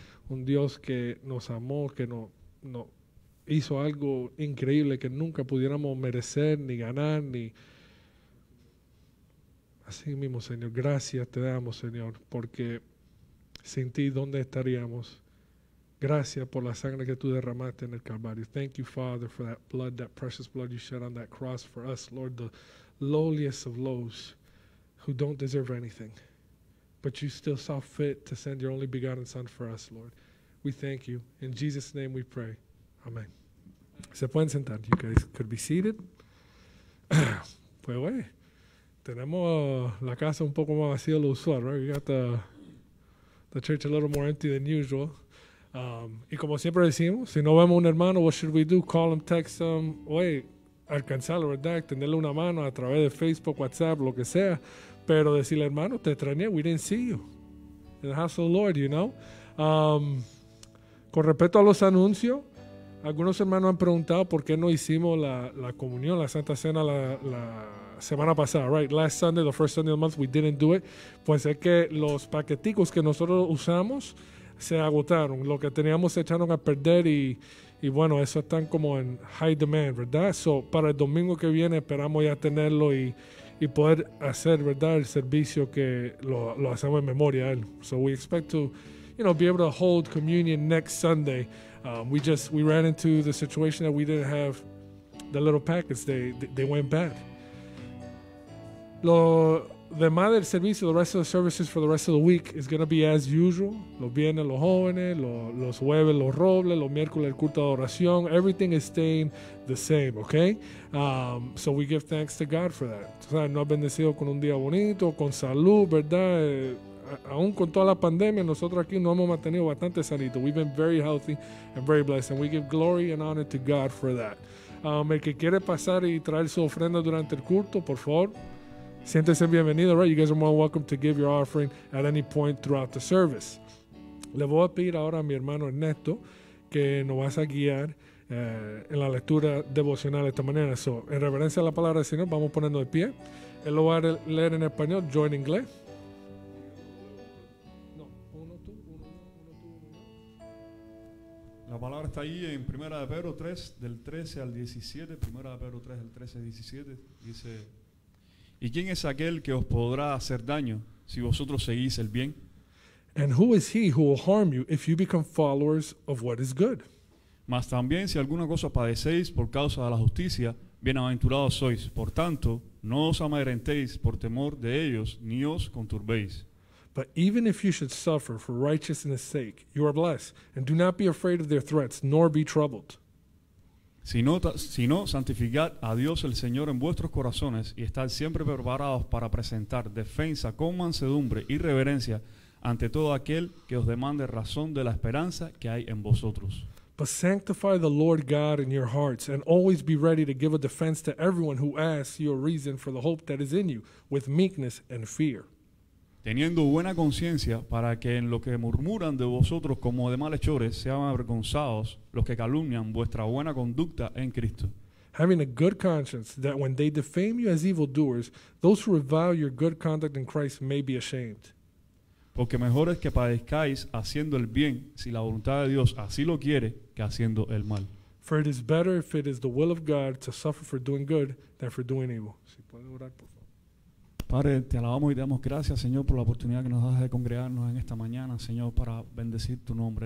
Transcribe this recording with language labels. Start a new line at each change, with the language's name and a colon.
Spanish: Un Dios que nos amó, que nos hizo algo increíble que nunca pudiéramos merecer, ni ganar, ni... Así mismo, Señor, gracias te damos, Señor, porque... Sin ti, ¿dónde estaríamos? Gracias por la sangre que tú derramaste en el Calvario.
English: Thank you, Father, for that blood, that precious blood you shed on that cross for us, Lord, the lowliest of lows who don't deserve anything. But you still saw fit to send your only begotten Son for us, Lord. We thank you. In Jesus' name we pray. Amen.
Spanish: Se pueden sentar.
English: You guys could be seated.
Spanish: Pues, güey, tenemos la casa un poco más vacía de lo usual,
English: right? We got the church a little more empty than usual.
Spanish: Y como siempre decimos, si no vemos un hermano,
English: what should we do? Call him, text him, wait,
Spanish: alcanzarlo, ¿verdad? Tenerle una mano a través de Facebook, WhatsApp, lo que sea. Pero decirle, hermano, te extrañé,
English: we didn't see you. In the house of the Lord, you know?
Spanish: Con respecto a los anuncios, algunos hermanos han preguntado por qué no hicimos la comunión, la Santa Cena, la semana pasada, right?
English: Last Sunday, the first Sunday of the month, we didn't do it.
Spanish: Pues es que los paqueticos que nosotros usamos se agotaron. Lo que teníamos se echaron a perder y bueno, eso están como en
English: high demand,
Spanish: ¿verdad? So, para el domingo que viene esperamos ya tenerlo y poder hacer, ¿verdad? El servicio que lo hacemos en memoria.
English: So, we expect to, you know, be able to hold communion next Sunday. We ran into the situation that we didn't have the little packets. They went bad.
Spanish: Lo demás del servicio,
English: the rest of the services for the rest of the week is going to be as usual.
Spanish: Los viernes, los jóvenes, los jueves, los robles, los miércoles, el culto de adoración.
English: Everything is staying the same, okay? So we give thanks to God for that.
Spanish: O sea, nos ha bendecido con un día bonito, con salud, ¿verdad? Aún con toda la pandemia, nosotros aquí nos hemos mantenido bastante sanitos.
English: We've been very healthy and very blessed. And we give glory and honor to God for that.
Spanish: El que quiere pasar y traer su ofrenda durante el culto, por favor. Siéntese bienvenido,
English: right? You guys are more welcome to give your offering at any point throughout the service.
Spanish: Le voy a pedir ahora a mi hermano Ernesto que nos vas a guiar en la lectura devocional de esta manera. So, en reverencia a la palabra del Señor, vamos poniendo de pie. Él lo va a leer en español, yo en inglés. No, uno tú, uno, uno tú, uno. La palabra está ahí en 1 de Pedro 3, del 13 al 17. 1 de Pedro 3, del 13 al 17. Dice... ¿Y quién es aquel que os podrá hacer daño si vosotros seguís el bien?
English: And who is he who will harm you if you become followers of what is good?
Spanish: Mas también si alguna cosa padecéis por causa de la justicia, bienaventurados sois. Por tanto, no os amedrentéis por temor de ellos, ni os conturbéis.
English: But even if you should suffer for righteousness' sake, you are blessed. And do not be afraid of their threats, nor be troubled.
Spanish: Sino santificad a Dios el Señor en vuestros corazones y estad siempre preparados para presentar defensa con mansedumbre y reverencia ante todo aquel que os demande razón de la esperanza que hay en vosotros.
English: But sanctify the Lord God in your hearts and always be ready to give a defense to everyone who asks your reason for the hope that is in you with meekness and fear.
Spanish: Teniendo buena conciencia para que en lo que murmuran de vosotros como de malhechores sean avergonzados los que calumnian vuestra buena conducta en Cristo.
English: Having a good conscience that when they defame you as evildoers, those who revile your good conduct in Christ may be ashamed.
Spanish: Porque mejor es que padezcáis haciendo el bien, si la voluntad de Dios así lo quiere, que haciendo el mal.
English: For it is better if it is the will of God to suffer for doing good than for doing evil.
Spanish: Si puede orar, por favor. Padre, te alabamos y te damos gracias, Señor, por la oportunidad que nos das de congregarnos en esta mañana, Señor, para bendecir tu nombre.